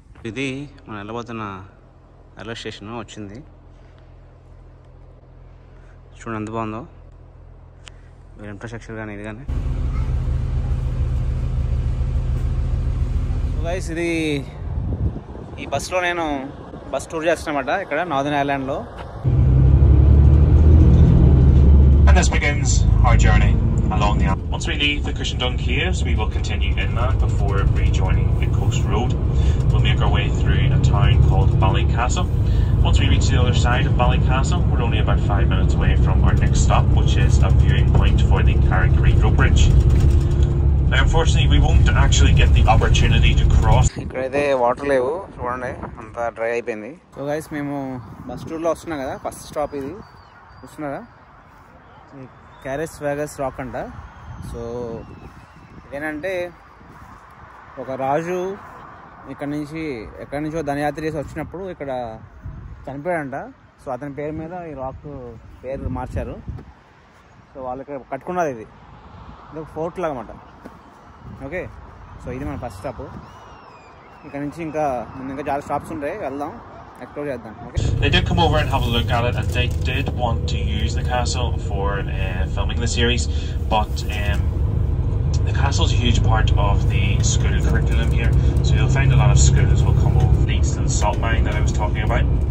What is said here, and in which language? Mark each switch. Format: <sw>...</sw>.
<te>ఇది మనం వెళ్ళబోతున్న railway station వచ్చింది, చూడండి ఎంత బాగుందో ఇన్ఫ్రాస్ట్రక్చర్ కానీ ఇది కానీ. గైస్, ఇది ఈ బస్సులో నేను బస్ టూర్ చేస్తున్నమాట ఇక్కడ northern ఐర్లాండ్లో.</te> <en>And this begins our journey along the Alps. Once we leave the cushioned donkeys, we will continue inland before rejoining the coast road. We'll make our way through a town called Ballycastle. Once we reach the other side of Ballycastle, we're only about 5 minutes away from our next stop, which is a viewing point for the Carrigree Road Bridge.</en> <te>ఇక్కడైతే water లేవు చూడండి, అంతా dry అయిపోయింది. So guys, మేము bus టూర్లో వస్తున్నాం కదా, first stop ఇది చూస్తున్నారా, క్యారెస్ వేగస్ రాక్ అంట. సో ఇదేనంటే ఒక రాజు ఎక్కడి నుంచో ధనయాత్ర చేసి వచ్చినప్పుడు ఇక్కడ చనిపోయాడంట. సో అతని పేరు మీద ఈ రాక్ పేరు మార్చారు. సో వాళ్ళు ఇక్కడ కట్టుకున్నారు, ఇది ఒక ఫోర్ట్ లాగమాట. ఓకే, సో ఇది మన ఫస్ట్ స్టాప్. ఇక్కడ నుంచి ఇంకా ముందు ఇంకా చాలా స్టాప్స్ ఉంటాయి, వెళ్దాం ఎక్స్ప్లోర్ చేద్దాం.</te> <en>Okay, they did come over and have a look at it and they did want to use the castle for filming the series, but the castle is a huge part of the school curriculum here, so you'll find a lot of schools will come over the eastern salt mine that I was talking about.</en>